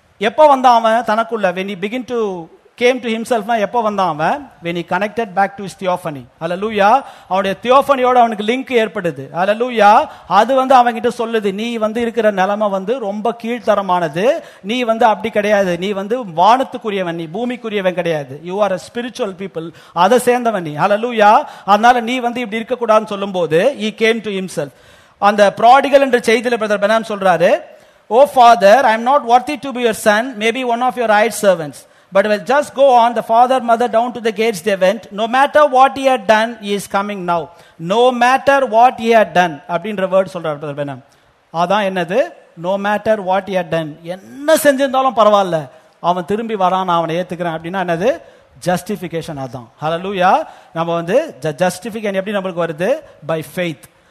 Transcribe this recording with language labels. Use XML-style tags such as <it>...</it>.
<ta>எப்ப வந்தான் அவன் தனக்குள்ள</ta> <en>when he begin to came to himself</en> <ta>னா எப்ப வந்தான் அவன்</ta> <en>when he connected back to his theophany</en> <ta>hallelujah அவனுடைய theophanyயோட அவனுக்கு லிங்க் ஏற்படுது hallelujah அது வந்து அவங்க கிட்ட சொல்லுது நீ வந்து இருக்கிற நிலைமை வந்து ரொம்ப கீழ்த்தரமானது நீ வந்து அப்படி கிடையாது நீ வந்து வானத்துக்குரியவன் நீ பூமிக்குரியவன் கிடையாது</ta> <en>you are a spiritual people</en> <ta>அதை சேர்ந்தவன் நீ hallelujah அதனால நீ வந்து இப்படி இருக்க கூடாதுன்னு சொல்லும்போது</ta> <en>he came to himself</en> <ta>அந்த prodigal என்ற செய்தியில பிரதர் பெனாம் சொல்றாரு</ta> <en>oh father I am not worthy to be your son maybe one of your hired servants But we'll just go on, the father, mother, down to the gates they went. No matter what he had done, he is coming now. No matter what he had done.</en> <ta>அப்படின்ற word சொல்றார் brother பெனம். அதான் என்னது?</ta> <en>No matter what he had done.</en> <ta>என்ன செஞ்சிருந்தாலும் பரவாயில்ல. அவன் திரும்பி வரான் அவனை ஏத்துக்கிறான் அப்படின்னா என்னது? ஜஸ்டிஃபிகேஷன் அதான். ஹல்லேலூயா. நம்ம வந்து ஜஸ்டிஃபிகேஷன் எப்படி நம்மளுக்கு வருது? By faith.</ta>